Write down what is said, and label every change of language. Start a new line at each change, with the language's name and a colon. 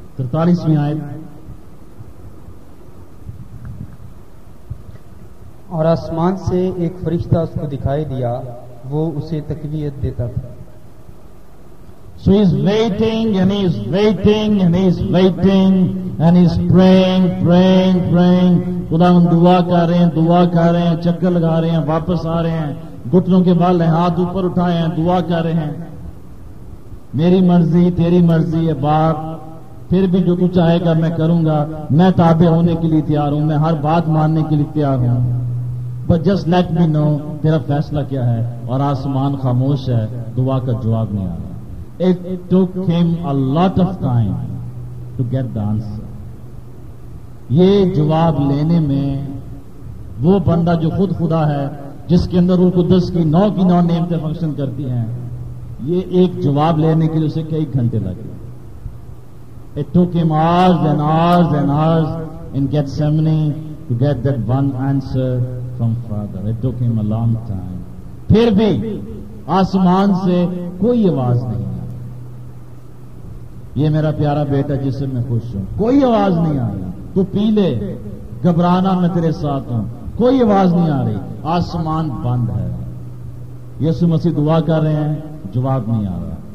Urdu: 43 آیت. اور آسمان سے ایک فرشتہ اس کو دکھائی دیا, وہ اسے تقویت دیتا تھا.
English: So he's waiting and he's waiting and he's waiting and he's praying, praying, praying.
Urdu: خدا ہم دعا کر رہے ہیں, دعا کر رہے ہیں, چکر لگا رہے ہیں, واپس آ رہے ہیں, گھٹنوں کے بال ہیں, ہاتھ اوپر اٹھائے ہیں, دعا کر رہے ہیں. میری مرضی تیری مرضی ہے باپ, پھر بھی جو تو چاہے گا میں کروں گا. میں تابع ہونے کے لیے تیار ہوں, میں ہر بات ماننے کے لیے تیار ہوں.
English: But just let me know
Urdu: تیرا فیصلہ کیا ہے. اور آسمان خاموش ہے, دعا کا جواب نہیں آ رہا.
English: It took him a lot of time to get the answer.
Urdu: یہ جواب لینے میں وہ بندہ جو خود خدا ہے, جس کے اندر روح قدس کی نو نعمتیں فنکشن کرتی ہیں, یہ ایک جواب لینے کے لیے اسے کئی گھنٹے لگے.
English: It took him hours and hours and hours in Gethsemane to get that one answer from Father. It took him a long time.
Urdu: پھر بھی آسمان سے کوئی آواز نہیں. یہ میرا پیارا بیٹا جسے میں خوش ہوں, کوئی آواز نہیں آ رہی. تو پی لے, گھبرانا میں تیرے ساتھ ہوں, کوئی آواز نہیں آ رہی. آسمان بند ہے. یسوع مسیح دعا کر رہے ہیں, جواب نہیں آ رہا.